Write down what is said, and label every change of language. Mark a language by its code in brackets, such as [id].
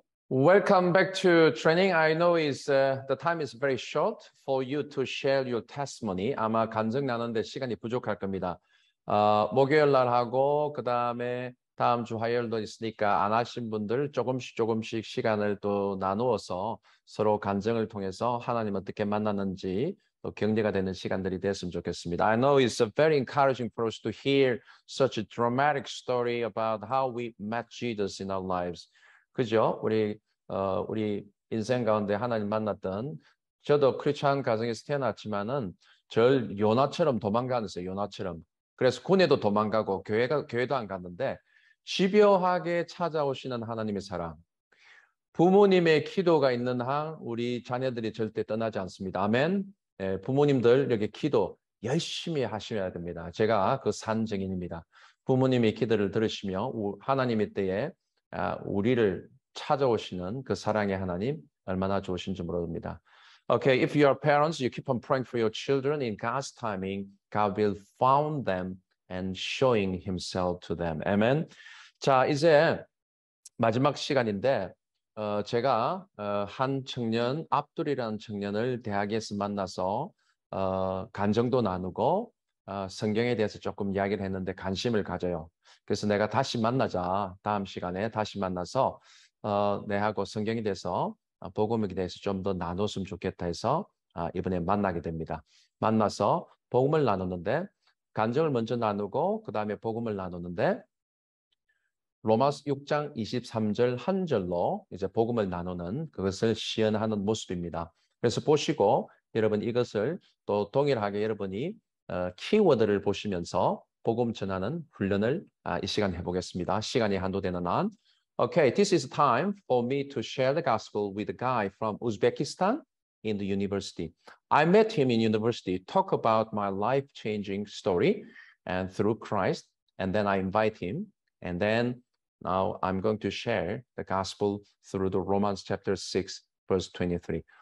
[en] Welcome back to training. I know the time is very short for you to share your testimony. [ko] 아마 간증 나는데 시간이 부족할 겁니다. 목요일 날 하고 그 다음에 다음 주 화요일도 있으니까 안 하신 분들 조금씩 시간을 또 나누어서 서로 간증을 통해서 하나님 어떻게 만났는지 또 경제가 되는 시간들이 됐으면 좋겠습니다. [en] I know it's a very encouraging for us to hear such a dramatic story about how we met Jesus in our lives. [ko] 그죠? 우리 인생 가운데 하나님 만났던 저도 크리스천 가정에서 태어났지만은 절 요나처럼 도망가는세요. 요나처럼. 그래서 군에도 도망가고 교회도 안 갔는데 집요하게 찾아오시는 하나님의 사랑. 부모님의 기도가 있는 한 우리 자녀들이 절대 떠나지 않습니다. 아멘. 예, 부모님들 여기 기도 열심히 하셔야 됩니다. 제가 그 산증인입니다. 부모님의 기도를 들으시며 하나님의 때에 우리를 찾아오시는 그 사랑의 하나님 얼마나 좋으신지 모릅니다. [en] Okay, if you are parents, you keep on praying for your children in God's timing. God will found them and showing himself to them. Amen. [ko] 자, 이제 마지막 시간인데 제가 한 청년, 압돌이라는 청년을 대학에서 만나서 간증도 나누고 성경에 대해서 조금 이야기를 했는데 관심을 가져요. 그래서 내가 다시 만나자. 다음 시간에 다시 만나서 내하고 성경에 대해서 복음에 대해서 좀 더 나눴으면 좋겠다 해서 이번에 만나게 됩니다. 만나서 복음을 나누는데 간증을 먼저 나누고 그 다음에 복음을 나누는데 로마서 6장 23절 한 절로 이제 복음을 나누는 그것을 시연하는 모습입니다. 그래서 보시고 여러분 이것을 또 동일하게 여러분이 키워드를 보시면서 복음 전하는 훈련을 이 시간 해보겠습니다. 시간이 한도되는 한. [en] Okay, this is time for me to share the gospel with a guy from Uzbekistan in the university. I met him in university, talk about my life-changing story and through Christ, and then I invite him, and then now I'm going to share the gospel through the Romans chapter 6, verse 23.